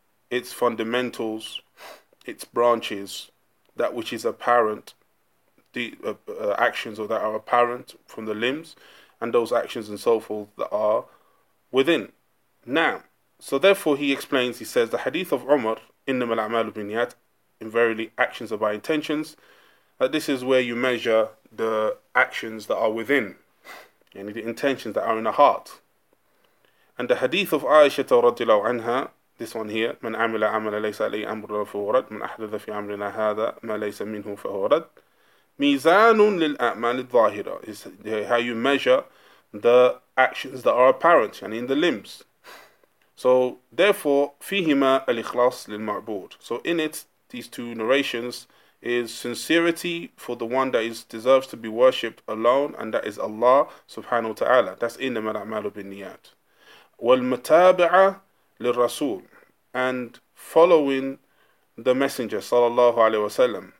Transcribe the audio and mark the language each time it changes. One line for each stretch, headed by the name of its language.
English: Its fundamentals, its branches, that which is apparent, the actions that are apparent from the limbs, and those actions and so forth that are within.
Arabic: نعم.
English: So therefore he explains, he says, the hadith of Umar,
Arabic: إنما الأعمال بالنيات,
English: in verily actions are by intentions, that this is where you measure the actions that are within, and the intentions that are in the heart. And the hadith of Aisha radiallahu anha, this one here,
Arabic: من عمل عمل ليس لي أمر فهو رد من أحدث في عمرنا هذا ما ليس منه فهو رد ميزان للأعمال الظاهرة,
English: is how you measure the actions that are apparent, and in the limbs.
Arabic: So therefore, فيهما الإخلاص للمعبود.
English: So in it, these two narrations, is sincerity for the one that is deserves to be worshipped alone, and that is Allah subhanahu wa ta'ala. That's in the
Arabic: al-a'malu bin-niyat. Wal-mutaba'a lil-rasul,
English: and following the messenger sallallahu alayhi wa sallam.